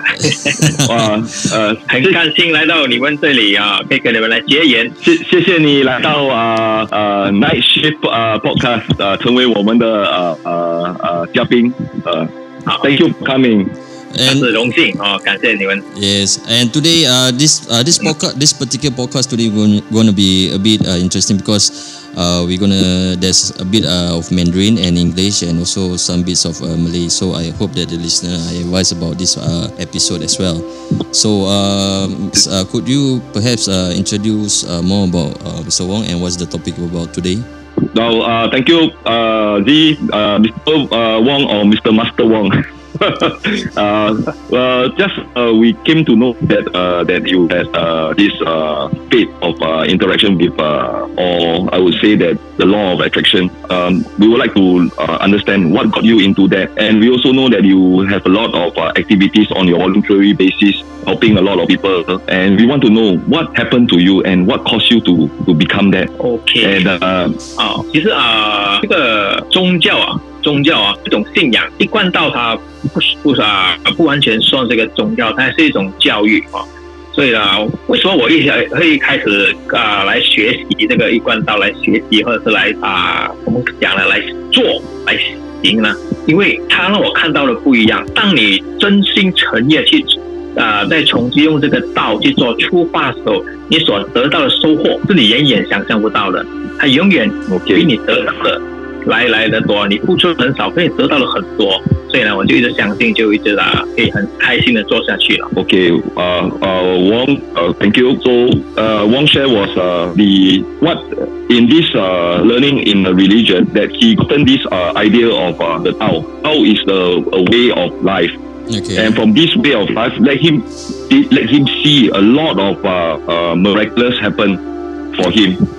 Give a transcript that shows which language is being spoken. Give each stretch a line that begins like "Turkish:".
Chinese: Night Shift Podcast, 成为我们的嘉宾。
English: Thank you for coming.
Chinese: 是荣幸，感谢你们。
English: Yes, and today, this particular podcast today going to be a bit interesting because there's a bit of Mandarin and English and also some bits of Malay. So I hope that the listener are advice about this episode as well. So could you perhaps introduce more about Mr. Wong and what's the topic about today? Well, thank you, Mr. Wong or Mr. Master Wong. we came to know that that you had this fate of interaction with, or I would say that the law of attraction. We would like to understand what got you into that, and we also know that you have a lot of activities on your voluntary basis, helping a lot of people, and we want to know what happened to you and what caused you to become that. Okay. And
Chinese: 其实这个宗教啊，这种信仰，一贯到它不完全算这个宗教，它是一种教育啊。所以呢，为什么我会开始来学习这个一贯道，来学习或者是来我们讲了来做来行呢？因为它让我看到的不一样。当你真心诚意去再重新用这个道去做出发的时候，你所得到的收获是你远远想象不到的，它永远比你得到的来的多。你付出很少，可以得到了很多。所以呢，我就一直相信，就一直的可以很开心的做下去了。
English: OK, Wong, thank you. So, Wong share was the what in this learning in the religion that he gotten this idea of the Tao. Tao is the a way of life. Okay. And from this way of life, let him see a lot of miraculous happen for him.